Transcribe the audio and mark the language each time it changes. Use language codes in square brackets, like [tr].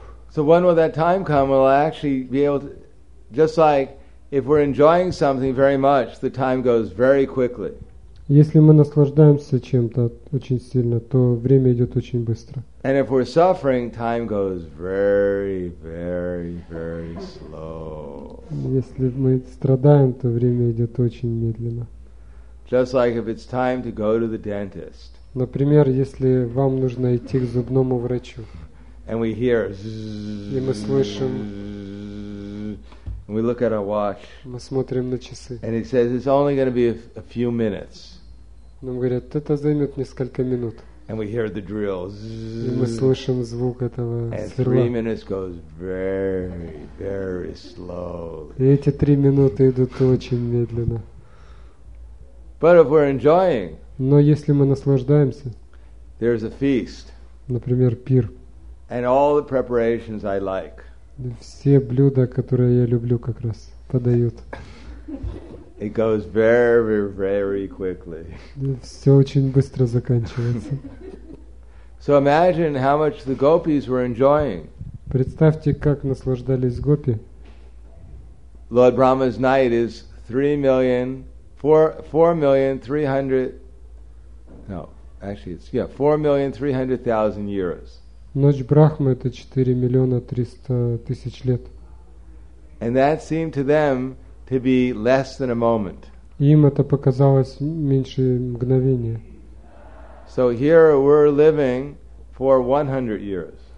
[en] So when will that time come? Will I actually be able to, just like if we're enjoying something very much, the time goes very quickly. [ru] Если мы наслаждаемся чем-то очень сильно, то время идет очень быстро. [en] And if we're suffering, time goes very, very, very slow. [ru] Если мы страдаем, то время идет очень медленно. [en] Just like if it's time to go to the dentist. [ru] Например, если вам нужно идти к зубному врачу. [en] And we hear. [ru] И мы слышим. [en] And we look at our watch. [ru] Мы смотрим на часы. [en] And he says it's only going to be a few minutes. [ru] Нам говорят, это займет несколько минут. [en] And we hear the drill. [ru] И мы слышим звук этого сверла. [en] And 3 minutes goes very, very slowly. [ru] И эти 3 минуты идут очень медленно. [en] But if we're enjoying. [ru] Но если мы наслаждаемся. [en] There's a feast. [ru] Например, пир. [en] And all the preparations I like. [ru] Все блюда, которые я люблю, как раз подают. [en] It goes very, very quickly. [ru] Все очень быстро заканчивается. [en] So imagine how much the gopis were enjoying. [ru] Представьте, как наслаждались гопи. [en] Lord Brahma's night is 4,300,000 years. [ru] Ночь Брахмы — это 4 миллиона 300 тысяч лет. [en] And that seemed to them to be less than a moment. [ru] Им это показалось меньше мгновения. [en] So here we're living for 100 years.